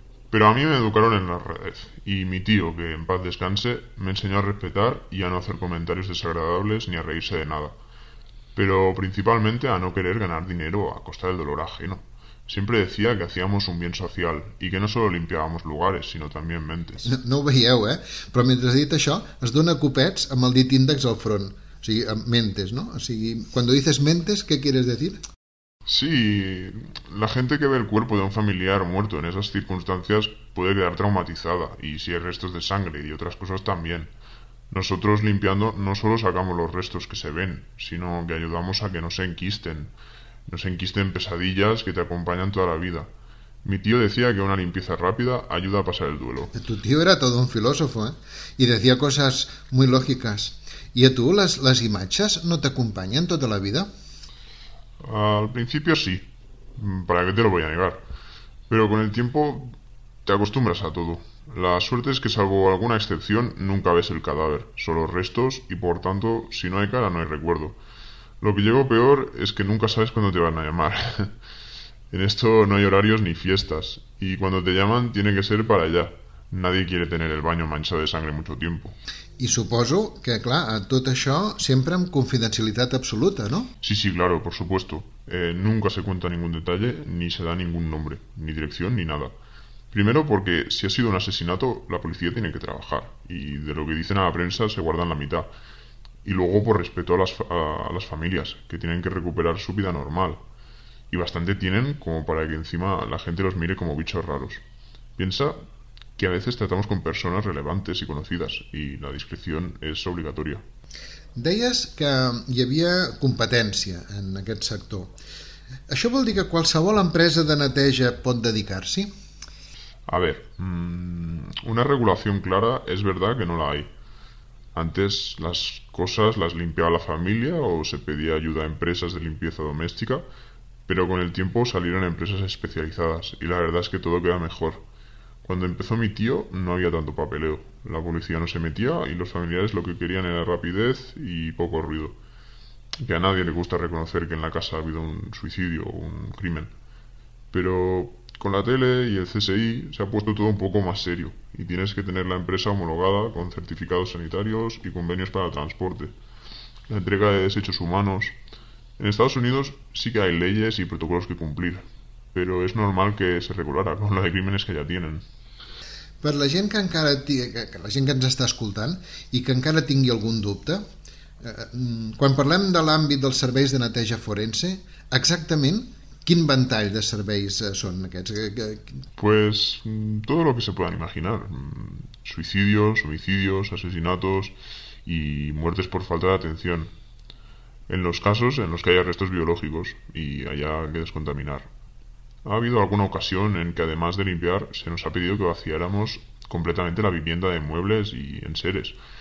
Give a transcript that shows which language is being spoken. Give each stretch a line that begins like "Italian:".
Spanish: Pero a mí me educaron en las redes, y mi tío, que en paz descanse, me enseñó a respetar y a no hacer comentarios desagradables ni a reírse de nada. Pero principalmente a no querer ganar dinero a costa del dolor ajeno. Siempre decía que hacíamos un bien social y que no solo limpiábamos lugares, sino también mentes.
Catalan: No, no ho veieu, eh? Però mentre has dit això, es dona copets amb el dit índex al front. O sigui, amb mentes, no? O sigui, quan dices mentes, què
Spanish: quieres decir? Sí, la gente que ve el cuerpo de un familiar muerto en esas circunstancias puede quedar traumatizada, y si hay restos de sangre y otras cosas también. Nosotros limpiando no solo sacamos los restos que se ven, sino que ayudamos a que no se enquisten pesadillas que te acompañan toda la vida. Mi tío decía que una limpieza rápida ayuda a pasar el duelo. Tu tío era todo un filósofo, ¿eh? Y decía cosas muy lógicas. ¿Y a tú las imatges no te acompañan toda la vida? Al principio sí, ¿para qué te lo voy a negar? Pero con el tiempo te acostumbras a todo. La suerte es que, salvo alguna excepción, nunca ves el cadáver, solo restos, y por tanto, si no hay cara, no hay recuerdo. Lo que llevo peor es que nunca sabes cuándo te van a llamar. En esto no hay horarios ni fiestas, y cuando te llaman tiene que ser para allá. Nadie quiere tener el baño manchado de sangre mucho tiempo.
Catalan: I suposo que, clar, a tot això sempre amb confidencialitat absoluta, no?
Spanish: Sí, claro, por supuesto. Nunca se cuenta ningún detalle, ni se da ningún nombre, ni dirección, ni nada. Primero porque si ha sido un asesinato, la policía tiene que trabajar, y de lo que dicen a la prensa se guardan la mitad. Y luego por respeto a las familias, que tienen que recuperar su vida normal. Y bastante tienen como para que encima la gente los mire como bichos raros. Piensa que a veces tratamos con personas relevantes y conocidas, y la discreción es obligatoria.
Catalan: Deies que hi havia competència en aquest sector. Això vol dir que qualsevol empresa de neteja pot dedicar-s'hi?
Spanish: A ver, una regulación clara es verdad que no la hay. Antes las cosas las limpiaba la familia o se pedía ayuda a empresas de limpieza doméstica, pero con el tiempo salieron empresas especializadas y la verdad es que todo queda mejor. Cuando empezó mi tío no había tanto papeleo. La policía no se metía y los familiares lo que querían era rapidez y poco ruido. Que a nadie le gusta reconocer que en la casa ha habido un suicidio o un crimen. Pero con la tele y el CSI se ha puesto todo un poco más serio y tienes que tener la empresa homologada con certificados sanitarios y convenios para el transporte, la entrega de desechos humanos. En Estados Unidos sí que hay leyes y protocolos que cumplir, pero es normal que se regulara con la de crímenes que ya tienen.
Catalan: Per la gent que encara que la gent que ens està escoltant i que encara tingui algun dubte, quan parlem de l'àmbit dels serveis de neteja forense, exactament quin ventall de serveis són aquests?
Spanish: Pues todo lo que se puedan imaginar. Suicidios, homicidios, asesinatos y muertes por falta de atención. en los casos en los que haya restos biológicos y haya que descontaminar. Ha habido alguna ocasión en que, además de limpiar, se nos ha pedido que vaciáramos completamente la vivienda de muebles y enseres.